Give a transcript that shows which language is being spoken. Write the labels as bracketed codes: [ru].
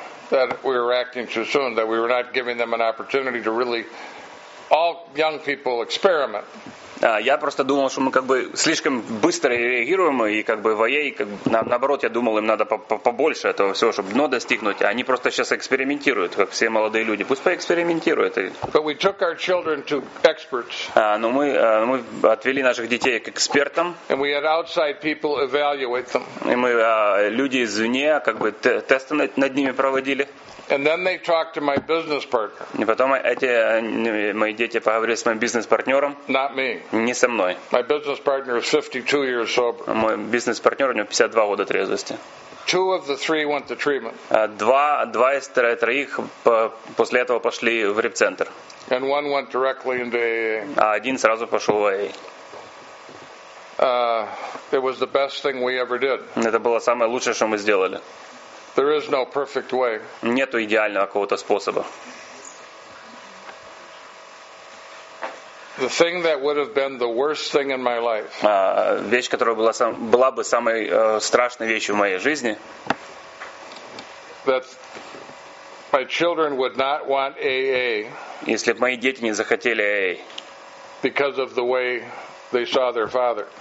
[en] That we were acting too soon, that we were not giving them an opportunity to really all young people experiment. [ru] Я просто думал, что мы как бы слишком быстро реагируем, и как бы наоборот, я думал, им надо побольше этого всего, чтобы дно достигнуть, а они просто сейчас экспериментируют, как все молодые люди. Пусть поэкспериментируют. [en] But we took our children to experts. [ru] Но мы отвели наших детей к экспертам. [en] And we had outside people evaluate them. [ru] И мы люди извне как бы тесты над ними проводили. [en] And then they talked to my business partner. [ru] И потом мои дети поговорили с моим бизнес-партнером. [en] Not me. [ru] Не со мной. [en] My business partner is 52 years sober. [ru] Мой бизнес-партнер, у него 52 года трезвости. [en] Two of the three went to treatment. [ru] Два из троих после этого пошли в реп-центр. [en] And one went directly into AA. [ru] А один сразу пошел в AA. [en] It was the best thing we ever did. [ru] Это было самое лучшее, что мы сделали. [en] There is no perfect way. [ru] Нету идеального какого-то способа. [en] The thing that would have been the worst thing in my life. [ru] Вещь, которая была бы самой страшной вещью в моей жизни. [en] That my children would not want AA, [ru] если бы мои дети не захотели AA, [en] because of the way they saw their father,